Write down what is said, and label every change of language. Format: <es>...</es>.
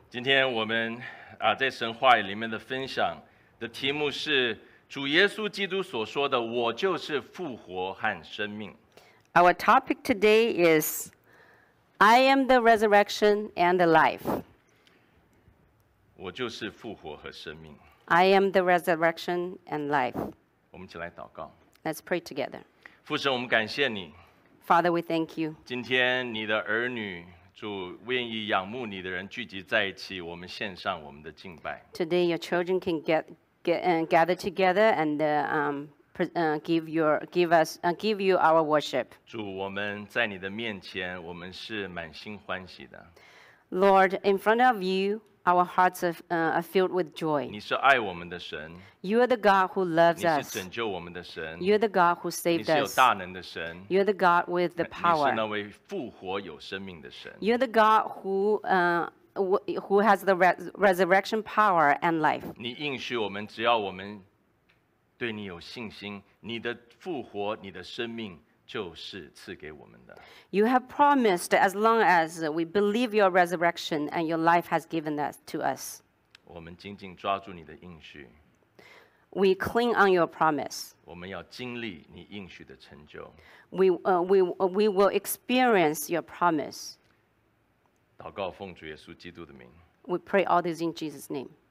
<zh>今天我们啊，在神话语里面的分享的题目是主耶稣基督所说的“我就是复活和生命”。</zh> <en>Our topic today is "I am the resurrection and the life."</en> <zh>我就是复活和生命。</zh> <en>I am the resurrection and life.</en> <zh>我们一起来祷告。</zh> <en>Let's pray together.</en> <zh>父神，我们感谢你。</zh> <en>Father, we thank you.</en> <zh>今天你的儿女，主愿意仰慕你的人聚集在一起，我们献上我们的敬拜。</zh> <en>Today, your children can gather together and give you our worship.</en> <zh>主，我们在你的面前，我们是满心欢喜的。</zh> <en>Lord, in front of you, our hearts are filled with joy.</en> <zh>你是爱我们的神。</zh> <en>You are the God who loves us.</en> <zh>你是拯救我们的神。</zh> <en>You are the God who saved us.</en> <zh>你是有大能的神。</zh> <en>You are the God with the power.</en> <zh>你是那位复活有生命的神。</zh> <en>You are the God who has the resurrection power and life.</en> <zh>你应许我们，只要我们对你有信心，你的复活，你的生命。就是赐给我们的。</zh> <en>You have promised as long as we believe your resurrection and your life has given that to us.</en> <zh>我们紧紧抓住你的应许。</zh> <en>We cling on your promise.</en> <zh>我们要经历你应许的成就。</zh> <en>We will experience your promise.</en> <zh>祷告奉主耶稣基督的名。</zh> <en>We pray all this in Jesus' name.</en>